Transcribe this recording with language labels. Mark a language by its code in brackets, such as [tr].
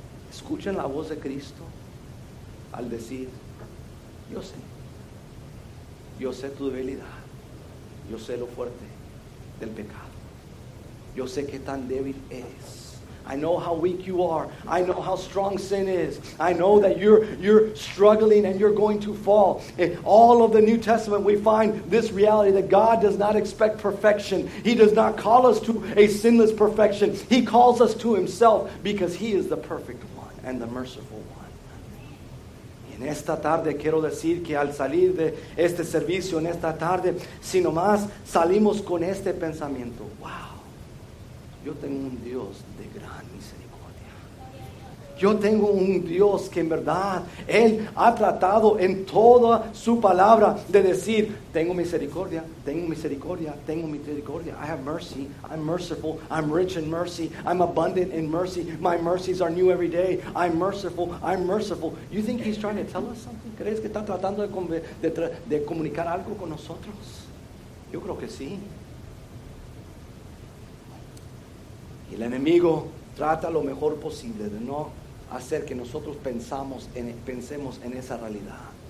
[es] Escuchen la voz de Cristo al decir, yo sé tu debilidad, yo sé lo fuerte del pecado, yo sé qué tan débil eres. [en] I know how weak you are, I know how strong sin is, I know that you're struggling and you're going to fall. In all of the New Testament we find this reality that God does not expect perfection. He does not call us to a sinless perfection. He calls us to himself because he is the perfect one. And the merciful one. [es] Y en esta tarde quiero decir que al salir de este servicio, en esta tarde, si nomás salimos con este pensamiento, wow, yo tengo un Dios de gran misericordia. Yo tengo un Dios que en verdad, Él ha tratado en toda su palabra de decir, tengo misericordia, tengo misericordia, tengo misericordia. [en] I have mercy, I'm merciful, I'm rich in mercy, I'm abundant in mercy. My mercies are new every day. I'm merciful, I'm merciful. You think he's trying to tell us something? [es] ¿Crees que está tratando de comunicar algo con nosotros? Yo creo que sí. Y el enemigo trata lo mejor posible de no hacer que nosotros pensemos en esa realidad.